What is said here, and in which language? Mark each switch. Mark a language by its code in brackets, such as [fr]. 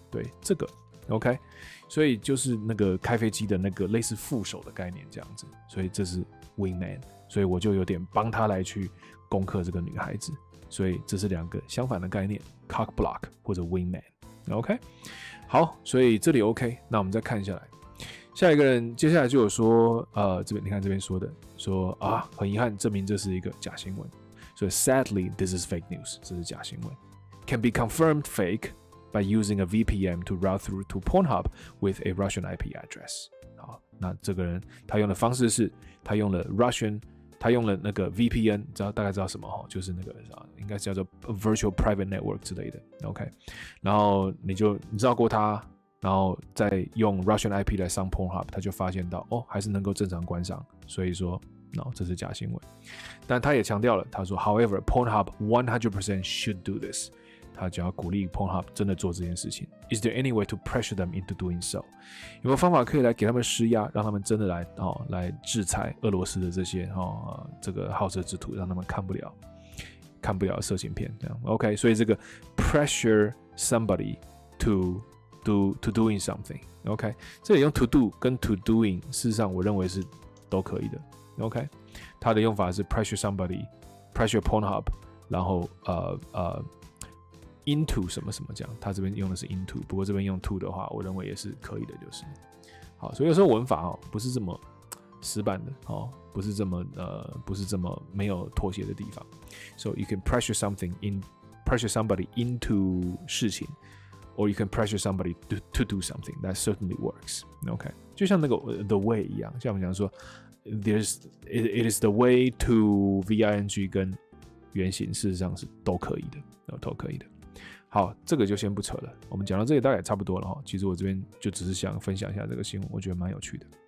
[zh] 对，这个 OK， 所以就是那个开飞机的那个类似副手的概念这样子，所以这是 wingman， 所以我就有点帮他来去攻克这个女孩子，所以这是两个相反的概念 ，cock block 或者 wingman。 OK， 好，所以这里 OK， 那我们再看下来。下一个人接下来就有说，这边你看这边说的，说啊，很遗憾，证明这是一个假新闻。所以 [en] ，sadly, this is fake news， [zh] 这是假新闻。 [en] Can be confirmed fake by using a VPN to route through to Pornhub with a Russian IP address。 [zh] 好，那这个人他用的方式是，他用了那个 VPN， 知道大概知道什么哈，就是那个应该叫做 Virtual Private Network 之类的。 OK， 然后你绕过他。然后再用 Russian IP 来上 Pornhub， 他就发现到哦，还是能够正常观赏，所以说，那、这是假新闻。但他也强调了，他说 ， [en] However， Pornhub 100% should do this。 [zh] 他就要鼓励 Pornhub 真的做这件事情。 [en] Is there any way to pressure them into doing so？ [zh] 有没有方法可以来给他们施压，让他们真的来哦，来制裁俄罗斯的这些哦，这个好色之徒，让他们看不了色情片这样 ？OK， 所以这个 [en] pressure somebody to doing something， [zh] OK， 这里用 to do 跟 to doing， 事实上我认为是都可以的， OK， 它的用法是 pressure somebody， pressure Pornhub， 然后 into 什么什么这样，它这边用的是 into， 不过这边用 to 的话，我认为也是可以的，就是好，所以有时候文法、不是这么死板的、不是这么不是这么没有妥协的地方， [en] so you can pressure something in pressure somebody into [zh] 事情。 [en] Or you can pressure somebody to do something that certainly works. [zh] Okay, 就像那个 the way 一样，像我们讲说 ， [en] it is the way to V I N G [zh] 跟原型，事实上是都可以的，都可以的。好，这个就先不扯了。我们讲到这里大概差不多了，其实我这边就只是想分享一下这个新闻，我觉得蛮有趣的。